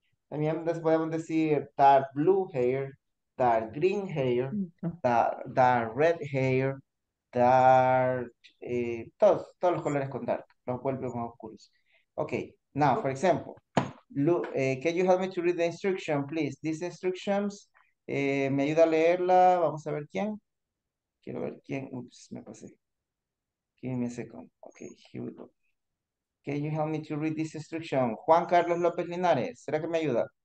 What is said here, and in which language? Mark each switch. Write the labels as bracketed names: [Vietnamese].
[Spanish] También podemos decir [English] dark blue hair, dark green hair, dark red hair, [Spanish] dark todos los colores con dark, los vuelven más oscuros. [English] Okay, now for example. Look, can you help me to read the instruction, please? These instructions, [Spanish] me ayuda a leerla. Vamos a ver quién. Quiero ver quién. Oops, me pasé. [English] Give me a second. Okay, here we go. Can you help me to read this instruction? [Spanish] Juan Carlos López Linares, ¿será que me ayuda?